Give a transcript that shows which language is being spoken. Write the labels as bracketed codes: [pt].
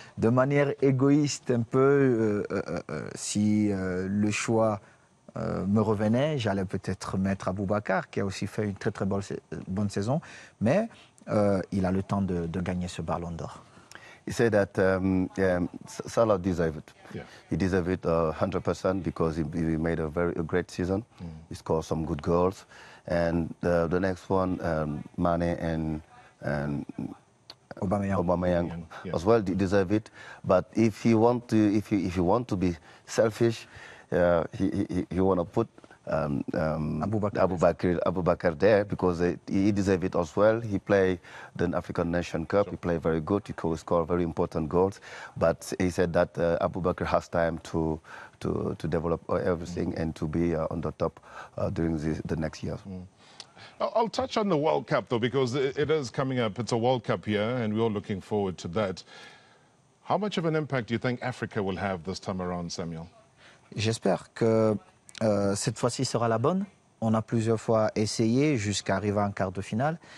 [fr] De manière égoïste un peu, le choix me revenait, j'allais peut-être mettre Aboubakar, qui a aussi fait une très très bonne saison, mais il a le temps de gagner ce ballon d'or. [en] He said that Salah deserved it. Yeah. He deserved it 100% because he made a great season. Mm. He scored some good goals, and the next one, Mane and Aubameyang yeah. as well deserve it. But if you want to be selfish, he want to put Aboubakar there, because he deserves it as well. He played the African Nation Cup. Sure. He played very good. He scored very important goals. But he said that Aboubakar has time to develop everything and to be on the top during the next year. Mm. I'll touch on the World Cup, though, because it is coming up. It's a World Cup year, and we're all looking forward to that. How much of an impact do you think Africa will have this time around, Samuel? [fr] J'espère que cette fois-ci sera la bonne. On a plusieurs fois essayé jusqu'à arriver en quart de finale.